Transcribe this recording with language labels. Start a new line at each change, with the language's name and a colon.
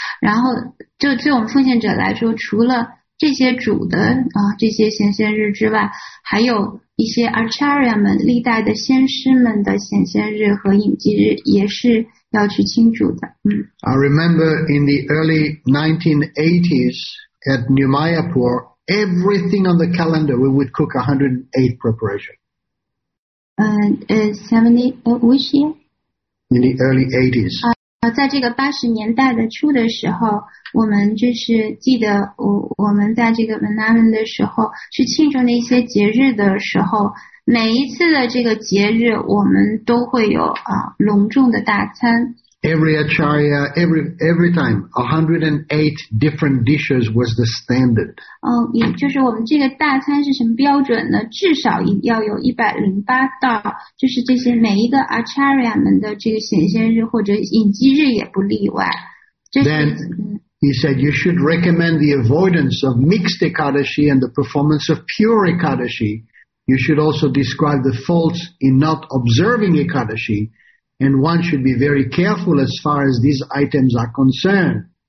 Chinese: 然后就对我们奉献者来说，除了这些主的这些显现日之外，还有一些 Acharya 们历代的先师们的显现日和隐居日也是要去庆祝的。
English: I remember in the early 1980s at New Mayapur, everything on the calendar we would cook 108 preparation. Which year? In the early 80s.
Chinese: 在这个80年代的初的时候，我们就是记得我们在这个 Vrindavan 的时候去庆祝那些节日的时候，每一次的这个节日我们都会有隆重的大餐。
English: Every acharya, every time, 108 different dishes was the standard.
Chinese: 也就是我们这个大餐是什么标准呢？至少要有108道，就是这些每一个 acharya 们的这个显现日或者隐居日也不例外。
English: Then he said you should recommend the avoidance of mixed Ekadashi and the performance of pure Ekadashi. You should also describe the faults in not observing Ekadashi. And one should be very careful as far as these items are concerned.